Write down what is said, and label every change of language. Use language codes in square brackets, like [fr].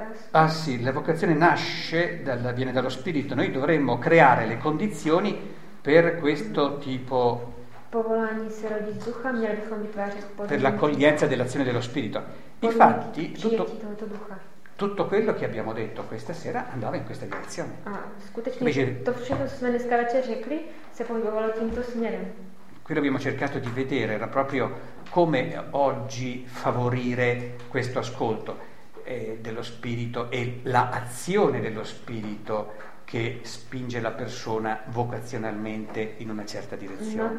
[it] Ah sì, la vocazione nasce viene dallo spirito. Noi dovremmo creare le condizioni per questo tipo. [cs] Povolání se rodí z ducha, měli bychom vytvářet podmínky. [it] Per l'accoglienza dell'azione dello spirito. Infatti, tutto quello che abbiamo detto questa sera andava in questa direzione. [cs] A skutečně invece, to všechno, co jsme dneska večer řekli, se pohybovalo tímto směrem. [it] Quello abbiamo cercato di vedere era proprio come oggi favorire questo ascolto dello spirito e l'azione dello spirito che spinge la persona vocazionalmente in una certa direzione.